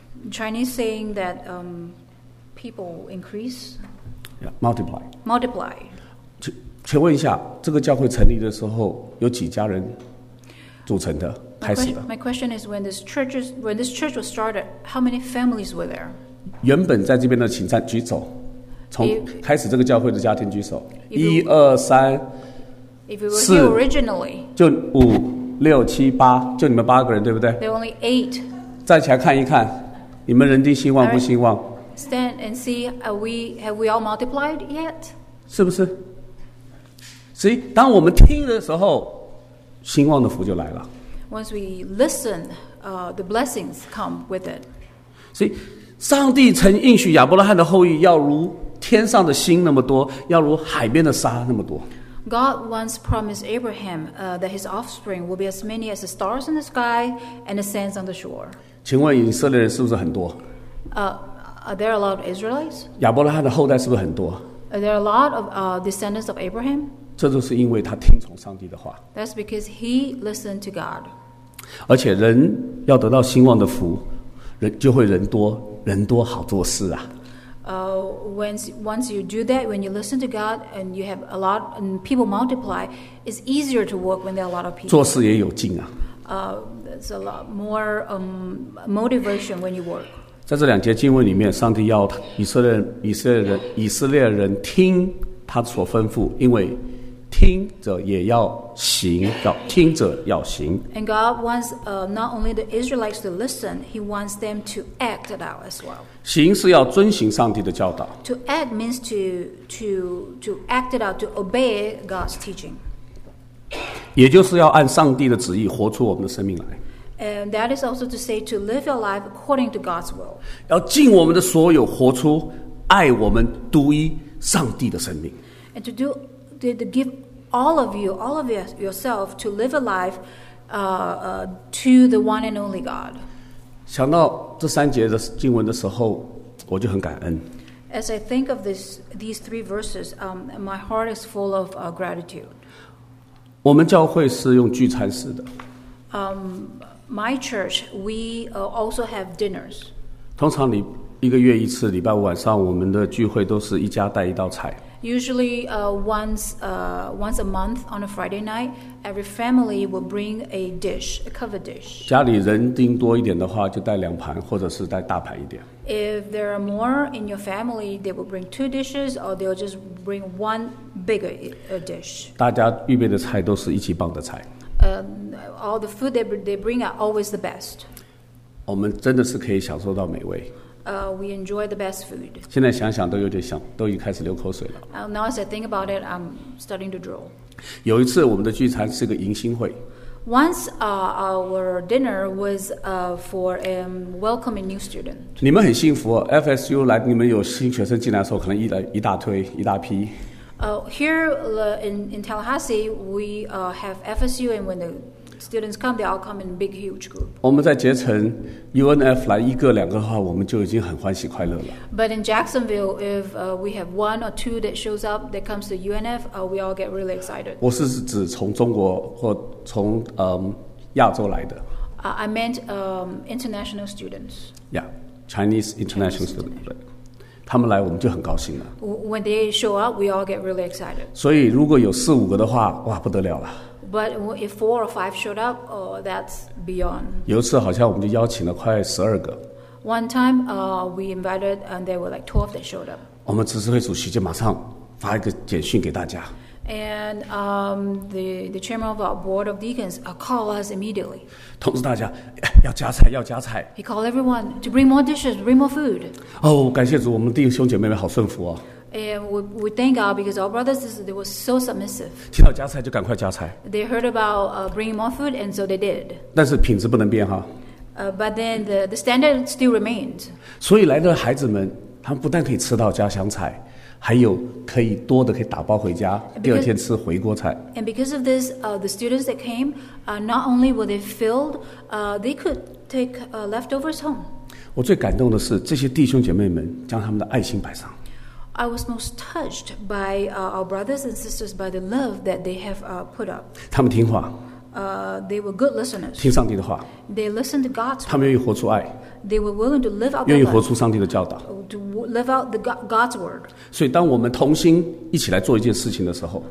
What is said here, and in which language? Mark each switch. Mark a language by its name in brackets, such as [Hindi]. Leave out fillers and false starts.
[English] Chinese saying that people increase. Yeah, multiply. Multiply. [Chinese] 请问一下，这个教会成立的时候有几家人组成的？ [English] My question is, when this church was started, how many families were there? [Chinese] 原本在这边的请站举手，从开始这个教会的家庭举手，一二三，四，就五六七八，就你们八个人，对不对 [English] ？There are only eight. [Chinese] 站起来看一看，你们人丁兴旺不兴旺 [English] ？Stand and see, have we all multiplied yet? [Chinese] 是不是？所以当我们听的时候，兴旺的福就来了。 [English] Once we listen, the blessings come with it. [Chinese] 所以，上帝曾应许亚伯拉罕的后裔要如天上的星那么多，要如海边的沙那么多。 [English] God once promised Abraham, that his offspring will be as many as the stars in the sky and the sands on the shore. [Chinese] 请问以色列人是不是很多？ [English] Are there a lot of Israelites? [Chinese] 亚伯拉罕的后代是不是很多？ [English] Are there a lot of descendants of Abraham? [Chinese] 这就是因为他听从上帝的话。 [English] That's because he listened to God. [Chinese] 而且人要得到兴旺的福，人就会人多，人多好做事啊。 [English] Once you do that, when you listen to God and you have a lot and people multiply, it's easier to work when there are a lot of people. [Chinese] 做事也有劲啊。 [English] There's a lot more motivation when you work. [Chinese] 在这两节经文里面，上帝要以色列人听他所吩咐，因为。听者也要行，要听者要行。 [English] And God wants not only the Israelites to listen, He wants them to act it out as well. [Chinese] 行是要遵行上帝的教导。 [English] To act means to act it out, to obey God's teaching. [Chinese] 也就是要按上帝的旨意活出我们的生命来。 [English] And that is also to say to live your life according to God's will. [Chinese] 要尽我们的所有活出爱我们独一上帝的生命。 [English] And to do. To give all of yourself to live a life to the one and only God. [Chinese] 想到这三节的经文的时候，我就很感恩。 [English] As I think of these three verses, my heart is full of gratitude. [Chinese] 我们教会是用聚餐式的。 [English] My church, we also have dinners. [Chinese] 通常一个月一次，礼拜五晚上我们的聚会都是一家带一道菜。 [English] Usually, once a month on a Friday night, every family will bring a dish, a covered dish. [Chinese] 家里人丁多一点的话，就带两盘，或者是带大盘一点。 [English] If there are more in your family, they will bring two dishes, or they'll just bring one bigger dish. [Chinese] 大家预备的菜都是一起棒的菜。 [English] All the food they bring are always the best. [Chinese] 我们真的是可以享受到美味。 [English] We enjoy the best food. [Chinese] 现在想想都有点想，都已经开始流口水了。 [English] Now as I think about it, I'm starting to drool. [Chinese] 有一次我们的聚餐是个迎新会。 [English] Once our dinner was for welcoming new student. [Chinese] 你们很幸福，FSU 来，你们有新学生进来的时候，可能一大推一大批。 [English] Here in Tallahassee, we have FSU, and when the students come, they all come in a big, huge group. [Chinese] 我们在杰城 UNF 来一个两个的话，我们就已经很欢喜快乐了。 [English] But in Jacksonville, if we have one or two that shows up that comes to UNF, we all get really excited. [Chinese] 我是指从中国或从亚洲来的。 [English] I meant international students. Yeah, Chinese international students. Right. [Chinese] 他们来我们就很高兴了。 [English] When they show up, we all get really excited. [Chinese] 所以如果有四五个的话，哇，不得了了。 [English] But if four or five showed up, oh, that's beyond. [Chinese] 有一次好像我们就邀请了快十二个。 [English] One time, we invited and there were like 12 that showed up. [Chinese] 我们执事会主席就马上发一个简讯给大家。 [English] And the chairman of our board of deacons called us immediately. [Chinese] 通知大家要加菜，要加菜。 [English] He called everyone to bring more dishes, bring more food. [Chinese] 哦，感谢主，我们弟兄姐妹们好顺服哦。 [English] And we thank God because our brothers they were so submissive. [Chinese] 听到加菜就赶快加菜。 [English] They heard about bringing more food, and so they did. [Chinese] 但是品质不能变哈。 [English] But then the standard still remained. [Chinese] 所以来的孩子们，他们不但可以吃到家乡菜。还有可以多的可以打包回家 [English] because, [Chinese] 第二天吃回锅菜 [English] and because of this the students that came not only were they filled they could take leftovers home [Chinese] 我最感动的是这些弟兄姐妹们将他们的爱心摆上 [English] I was most touched by our brothers and sisters by the love that they have put up [Chinese] 他们听话 [English] they were good listeners [Chinese] 听上帝的话 [English] they listened to God's [Chinese] 他们愿意活出爱 [English] They were willing to live out [Chinese] 愿意活出上帝的教导 [English] to live out the God's word. [Chinese] 所以当我们同心一起来做一件事情的时候